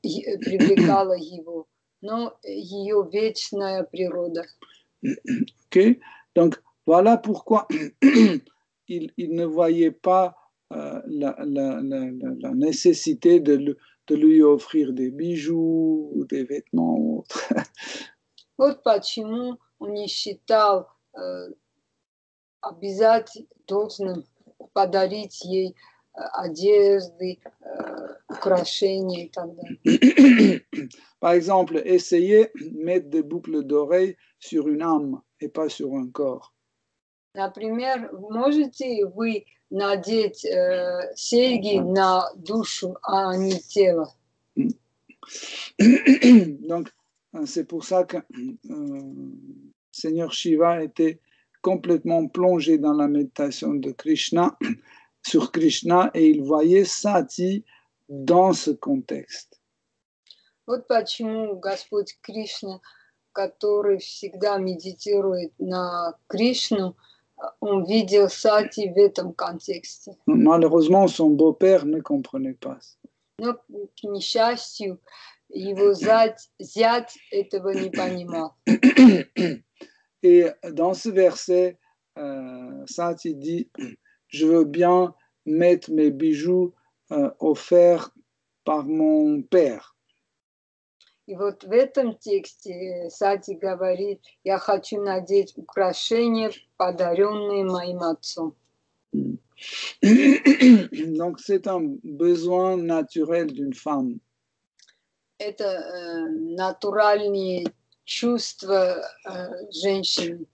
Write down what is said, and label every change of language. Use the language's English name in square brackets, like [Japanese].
[Russian] Привлекало его, но ее вечная природа. [French] Ok, donc voilà pourquoi il ne voyait pas la nécessité de lui offrir des bijoux ou des vêtements ou autre. [Russian] Вот почему он не считал обязательно должным подарить ей одежды, украшения и так далее. [French] Par exemple, essayer mettre des boucles d'oreilles sur une âme et pas sur un corps. [Russian] Например, можете вы надеть серьги на душу, а не тело? [French] Donc, c'est pour ça que Seigneur Shiva était complètement plongé dans la méditation de Krishna, sur Krishna, et il voyait Sati dans ce contexte. [Russian] Вот почему Господь Кришна, который всегда медитирует на Кришну, он видел Сати в этом контексте. [French] Malheureusement, son beau-père ne comprenait pas. [Russian] Но, к несчастью, его зять этого не понимал. [French] Et dans ce verset, Sati dit, je veux bien mettre mes bijoux offerts par mon père. [Russian] И вот в этом тексте Сати говорит: я хочу надеть украшения, подаренные моим отцом. [French] Donc c'est un besoin naturel d'une femme. [Russian] Это натуральные чувства женщины.